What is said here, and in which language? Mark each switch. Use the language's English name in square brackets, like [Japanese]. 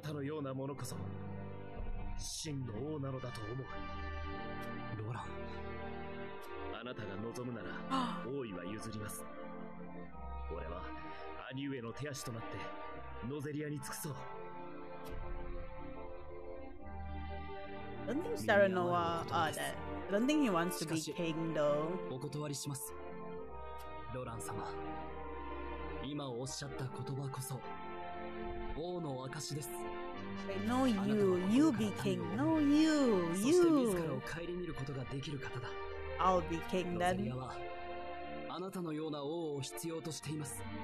[Japanese] たのようなものこそ真の王なのだと思う。ロラン、あなたが望むなら王位は譲ります。俺は兄上の手足となってノゼリアに尽くそう。 [English] Don't think Serenoa, don't think he wants to be king though. [Japanese] お断りします。ロラン様、今おっしゃった言葉こそ王の証です。 [English] No, you, you be king. No, you, you. [Japanese] そして自らを顧みることができる方だ。 [English] I'll be king then. [Japanese] ノゼリアはあなたのような王を必要としています。